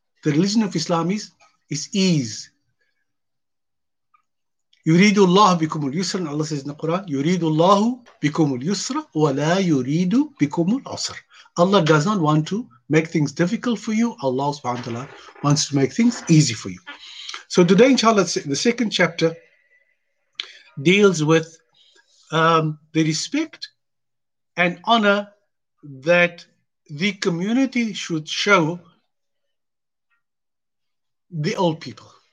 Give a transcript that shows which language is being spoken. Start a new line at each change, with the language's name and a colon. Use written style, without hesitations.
English: The religion of Islam is ease.
Arabic: يُرِيدُ اللَّهُ بِكُمُ الْيُسْرَ
English: and Allah says in the Quran,
Arabic: يُرِيدُ اللَّهُ بِكُمُ الْيُسْرَ وَلَا يُرِيدُ بِكُمُ الْعُسْرَ.
English: Allah does not want to make things difficult for you. Allah subhanahu wa ta'ala wants to make things easy for you. So today, inshallah, the second chapter deals with the respect and honor that the community should show the old people.